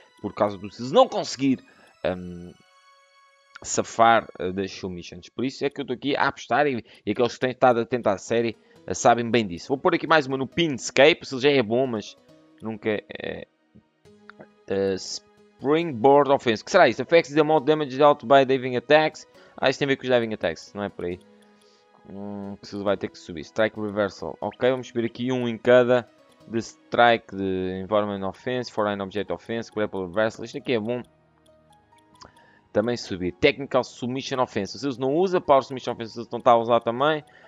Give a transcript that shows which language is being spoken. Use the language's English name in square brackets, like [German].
[Portuguese] Por causa do se não conseguir... safar das submissions, por isso é que eu estou aqui a apostar e aqueles que têm estado a tentar a série sabem bem disso. Vou pôr aqui mais uma no Pinscape, se já é bom, mas nunca é. Springboard Offense, que será isso? [English] Affects the amount of damage dealt by diving attacks. [Portuguese] Ah, isso tem a ver com os diving attacks, não é por aí. Que vai ter que subir. Strike Reversal, ok, vamos subir aqui um em cada. The Strike, the Environment Offense, Foreign Object Offense, Grapple Reversal, isto aqui é bom. Também subir. Technical Submission Offense. Se eles não usa Power Submission Offense, eles não estão a usar também.